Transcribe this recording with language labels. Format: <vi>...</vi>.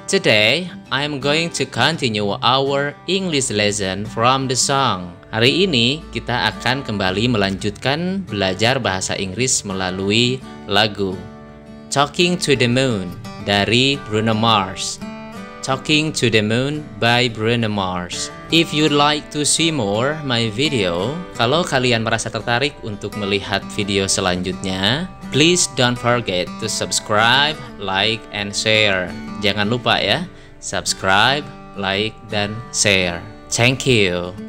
<en>Today, I'm going to continue our English lesson from the song.</en> <id>Hari ini, kita akan kembali melanjutkan belajar bahasa Inggris melalui lagu Talking to the Moon dari Bruno Mars.</id> <en>Talking to the Moon by Bruno Mars. If you'd like to see more my video,</en> <id>kalau kalian merasa tertarik untuk melihat video selanjutnya,</id> <en>please don't forget to subscribe, like, and share.</en> <id>Jangan lupa ya, subscribe, like, dan share.</id> <en>Thank you.</en>